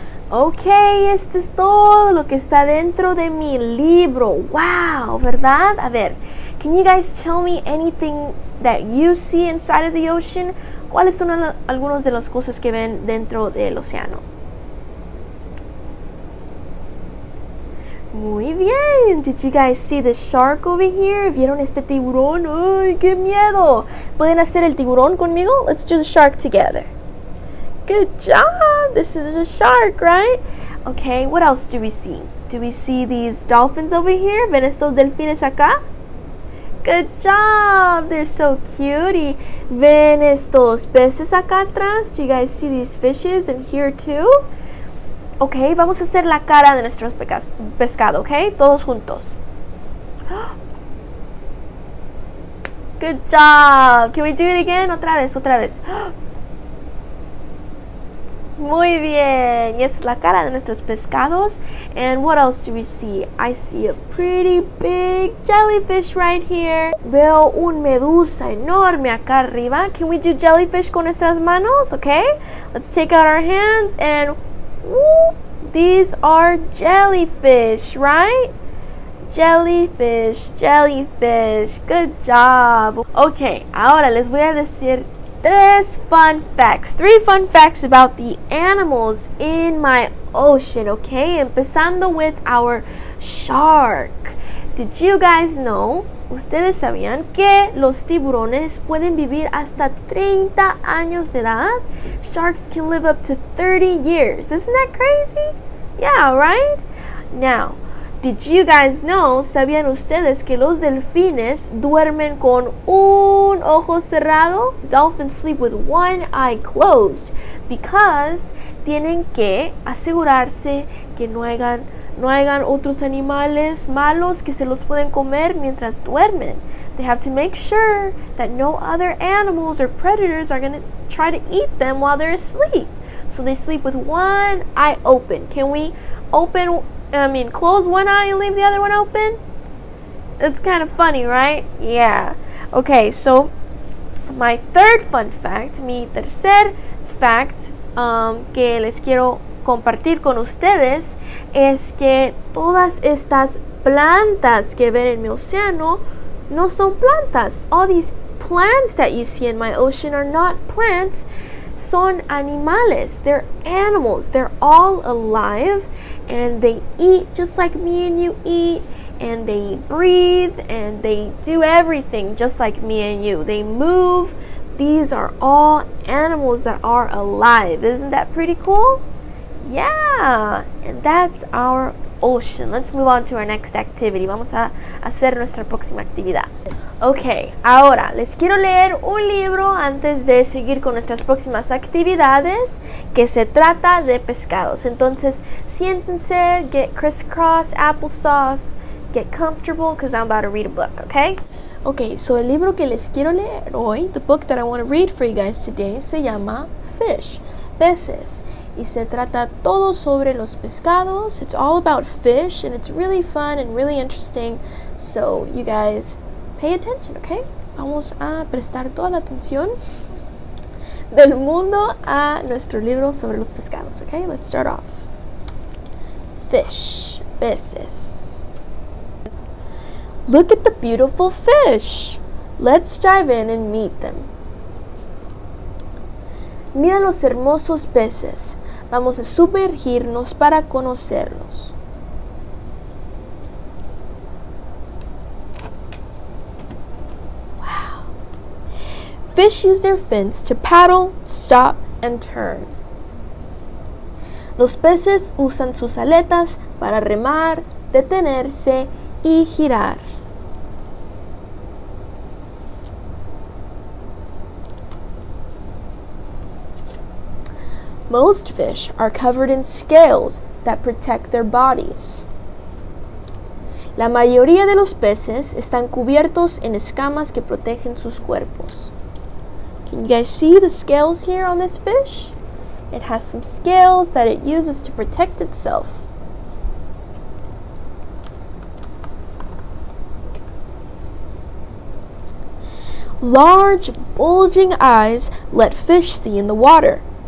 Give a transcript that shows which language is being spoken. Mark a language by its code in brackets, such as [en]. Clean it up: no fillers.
[es] Okay, esto es todo lo que está dentro de mi libro. Wow, ¿verdad? A ver, [en] can you guys tell me anything that you see inside of the ocean? [es] ¿Cuáles son algunos de las cosas que ven dentro del océano? Muy bien. [en] Did you guys see the shark over here? [es] ¿Vieron este tiburón? ¡Ay, qué miedo! ¿Pueden hacer el tiburón conmigo? [en] Let's do the shark together. Good job! This is a shark, right? Okay, what else do we see? Do we see these dolphins over here? [es] ¿Ven estos delfines acá? [en] Good job! They're so cute. [es] ¿Y ven estos peces acá atrás? [en] Do you guys see these fishes in here too? [es] Ok, vamos a hacer la cara de nuestro pescado, ok? Todos juntos. [en] Good job. Can we do it again? [es] Otra vez, otra vez. Muy bien. Y esa es la cara de nuestros pescados. [en] And what else do we see? I see a pretty big jellyfish right here. [es] Veo un medusa enorme acá arriba. [en] Can we do jellyfish [es] con nuestras manos? Okay. [en] Let's take out our hands and whoop. These are jellyfish, right? Jellyfish, jellyfish. Good job. [es] Okay, ahora les voy a decir tres fun facts. [en] Three fun facts about the animals in my ocean, okay? [es] Empezando [en] with our shark. Did you guys know? [es] ¿Ustedes sabían que los tiburones pueden vivir hasta 30 años de edad? [en] Sharks can live up to 30 years. Isn't that crazy? Yeah, right? Now, did you guys know, [es] ¿sabían ustedes que los delfines duermen con un ojo cerrado? [en] Dolphins sleep with one eye closed because [es] tienen que asegurarse que no hayan otros animales malos que se los pueden comer mientras duermen. [en] They have to make sure that no other animals or predators are going to try to eat them while they're asleep. So they sleep with one eye open. Can we open, close one eye and leave the other one open? It's kind of funny, right? Yeah. Okay, so my third fun fact, [es] mi tercer fact que les quiero compartir con ustedes es que todas estas plantas que ven en mi océano no son plantas. [en] All these plants that you see in my ocean are not plants. [es] Son animales, [en] they're animals, they're all alive, and they eat just like me and you eat, and they breathe, and they do everything just like me and you. They move. These are all animals that are alive. Isn't that pretty cool? Yeah, and that's our ocean. Let's move on to our next activity. [es] Vamos a hacer nuestra próxima actividad. Okay, ahora les quiero leer un libro antes de seguir con nuestras próximas actividades, que se trata de pescados. Entonces, siéntense, [en] get crisscross, applesauce, get comfortable, because I'm about to read a book, okay? Okay, so [es] el libro que les quiero leer hoy, [en] the book that I want to read for you guys today, [es] se llama [en] Fish, Peces. [es] Y se trata todo sobre los pescados. [en] It's all about fish, and it's really fun and really interesting, so you guys pay attention, okay? [es] Vamos a prestar toda la atención del mundo a nuestro libro sobre los pescados, okay? [en] Let's start off. Fish, peces. Look at the beautiful fish. Let's dive in and meet them. [es] Mira los hermosos peces. Vamos a sumergirnos para conocerlos. [en] Fish use their fins to paddle, stop, and turn. [es] Los peces usan sus aletas para remar, detenerse, y girar. [en] Most fish are covered in scales that protect their bodies. [es] La mayoría de los peces están cubiertos en escamas que protegen sus cuerpos. [en] You guys see the scales here on this fish? It has some scales that it uses to protect itself. Large, bulging eyes let fish see in the water.